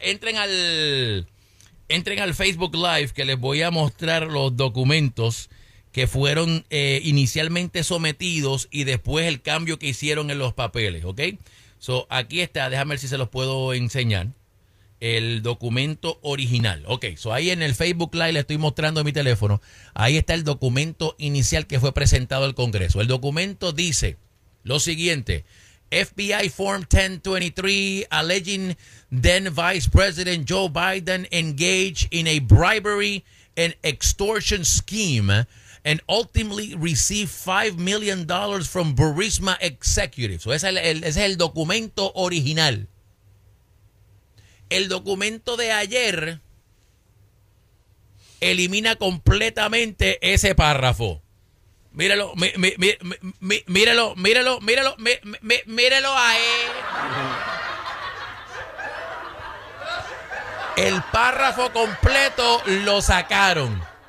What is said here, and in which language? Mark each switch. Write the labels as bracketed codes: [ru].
[es] Entren al Facebook Live, que les voy a mostrar los documentos que fueron inicialmente sometidos y después el cambio que hicieron en los papeles, ¿ok? So, aquí está, déjame ver si se los puedo enseñar, el documento original. Ok, so ahí en el Facebook Live le estoy mostrando en mi teléfono, ahí está el documento inicial que fue presentado al Congreso. El documento dice lo siguiente: [en] FBI Form 1023 alleging then Vice President Joe Biden engaged in a bribery and extortion scheme and ultimately received $5 million from Burisma executives. [es] So ese es el documento original. El documento de ayer elimina completamente ese párrafo. El párrafo completo lo sacaron.